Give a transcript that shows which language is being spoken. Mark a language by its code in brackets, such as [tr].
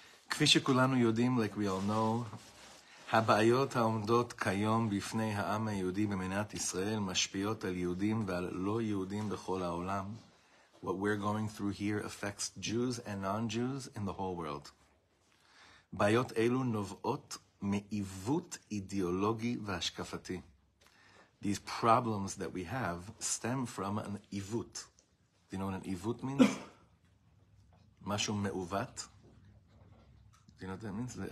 [he] כפי שכולנו יודעים, [en] like we all know, [he] הבעיות העומדות כיום בפני העם היהודי במדינת ישראל משפיעות על יהודים ועל לא יהודים בכל העולם. [en] What we're going through here affects Jews and non-Jews in the whole world. [he] בעיות אלו נובעות מעיוות אידיאולוגי והשקפתי. [en] These problems that we have stem from an עיוות. Do you know what an עיוות means? [he] משהו מעוות. [en] Do you know what that means?